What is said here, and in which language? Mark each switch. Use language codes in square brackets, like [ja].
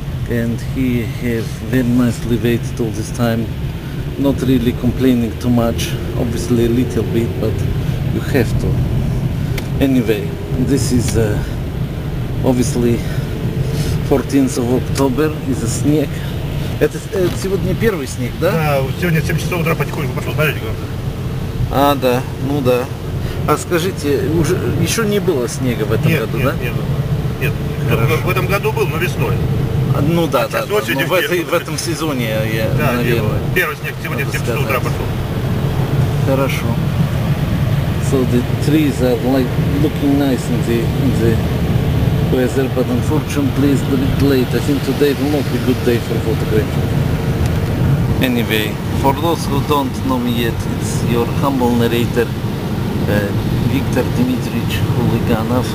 [en] And he have very nicely waited all this time, not really complaining too much, obviously a little bit, but you have to. Anyway, this is obviously 14th of October, is a sneak. [ru] Это сегодня первый снег, да? Да, сегодня 7 часов утра потихоньку пошел дождь. А, да, ну да. А скажите, уже еще не было снега в этом году, нет, да? Нет. В этом году был, но весной. А, ну да, а да, да, да. Но в этом сезоне, я, да, наверное. Да, первый снег сегодня в 7 часов утра пошел. Хорошо. [en] So the trees are like looking nice in the weather, but unfortunately it's a bit late. I think today will not be a good day for photography. Anyway, for those who don't know me yet, it's your humble narrator, Viktor Dmitrich Huliganov.